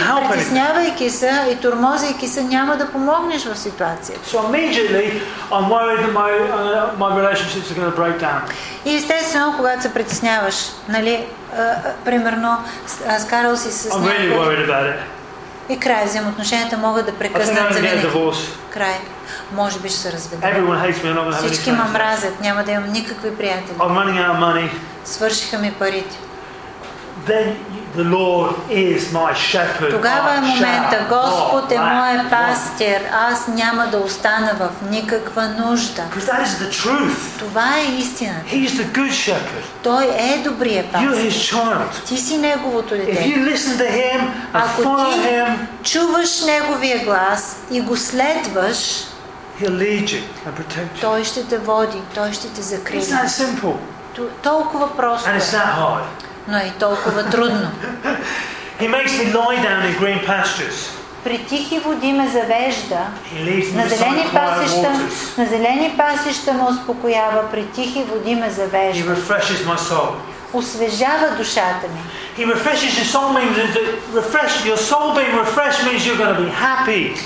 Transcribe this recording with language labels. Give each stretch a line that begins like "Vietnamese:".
Bulgarian: Притеснявайки се и тормозейки се, няма да помогнеш в ситуацията.
English: So immediately I'm worried that my relationships are going to break down.
Bulgarian: И естествено, когато се притесняваш, нали, примерно, скарал си с някой.
English: I'm really worried about it.
Bulgarian: И край, взаимоотношенията могат да прекъснат за винаги. Край. Може би ще се разведем.
English: Everyone hates me, I'm not
Bulgarian: Всички ме мразят, няма да имам никакви приятели.
English: I'm running out of money.
Bulgarian: Свършиха ми парите.
English: Then the Lord is my shepherd.
Bulgarian: Тогава е момента, Господ е мой пастир. Аз няма да остана в никаква нужда.
English: Because that is the truth.
Bulgarian: Това е истина.
English: He is the good shepherd.
Bulgarian: Той е добрият пастир.
English: You are his child.
Bulgarian: Ти си неговото дете.
English: If you listen to him and follow him,
Bulgarian: чуваш неговия глас и го следваш,
English: he'll lead you and protect you.
Bulgarian: Той ще те води, той ще те закрие.
English: It's that simple.
Bulgarian: Толкова просто.
English: And it's that hard.
Bulgarian: Но е толкова трудно.
English: He makes me lie down in green pastures.
Bulgarian: При тихи води ме завежда. На зелени пасища ме успокоява, при тихи води ме завежда.
English: He refreshes my soul.
Bulgarian: Освежава душата ми.
English: He refreshes your soul means your soul being refreshed means you're going to be happy.